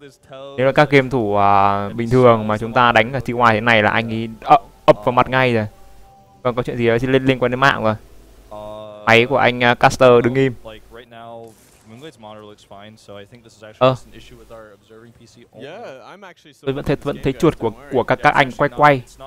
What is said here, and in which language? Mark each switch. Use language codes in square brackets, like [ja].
[vi] Nếu là các game thủ bình thường mà chúng ta đánh cả TY thế này là anh ấy ập vào mặt ngay rồi. Vâng, có chuyện gì đó thì liên quan đến mạng rồi. Máy của anh Caster đứng im. [en] English monitor looks fine, so I think this is actually just an issue with our observing PC only. Yeah, I'm actually [vi] still vẫn thấy chuột của các anh quay quay.